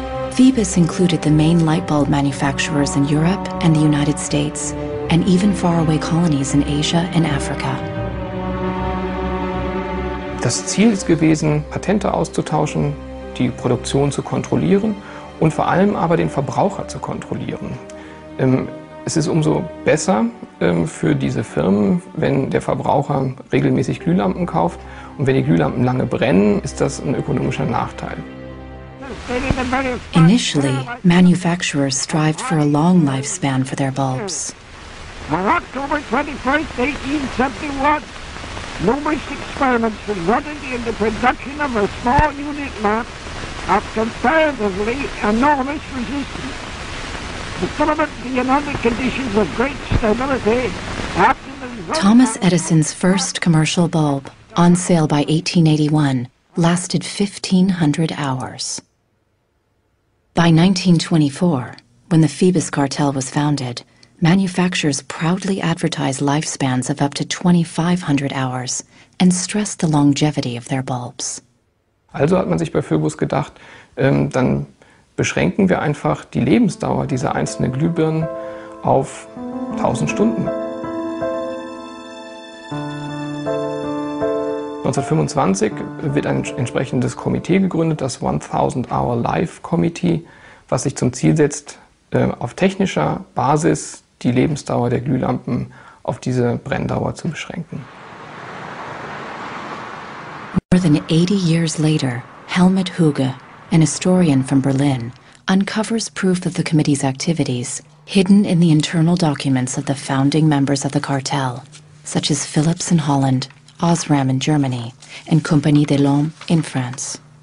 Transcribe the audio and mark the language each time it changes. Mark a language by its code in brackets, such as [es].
[en] Phoebus included the main light bulb manufacturers in Europe and the United States, and even faraway colonies in Asia and Africa. [de] Das Ziel ist gewesen, Patente auszutauschen, die Produktion zu kontrollieren und vor allem aber den Verbraucher zu kontrollieren. Es ist umso besser für diese Firmen, wenn der Verbraucher regelmäßig Glühlampen kauft. Und wenn die Glühlampen lange brennen, ist das ein ökonomischer Nachteil. [en] Initially, manufacturers strived for a long lifespan for their bulbs. On October 21st, 1871, numerous experiments resulted in the production of a small unit lamp of comparatively enormous resistance. The filament being under conditions of great stability after the result. Thomas Edison's first commercial bulb, on sale by 1881, lasted 1,500 hours. By 1924, when the Phoebus cartel was founded, manufacturers proudly advertised lifespans of up to 2,500 hours and stressed the longevity of their bulbs. [de] Also hat man sich bei Phoebus gedacht, dann beschränken wir einfach die Lebensdauer dieser einzelnen Glühbirnen auf 1,000 Stunden. 1925 wird ein entsprechendes Komitee gegründet, das 1,000-Hour-Life-Komitee, was sich zum Ziel setzt, auf technischer Basis die Lebensdauer der Glühlampen auf diese Brenndauer zu beschränken. [en] More than 80 years later, Helmut Huge, an historian from Berlin, uncovers proof of the committee's activities hidden in the internal documents of the founding members of the cartel, such as Philips in Holland, Osram in Germany and Compagnie de l'Homme in France.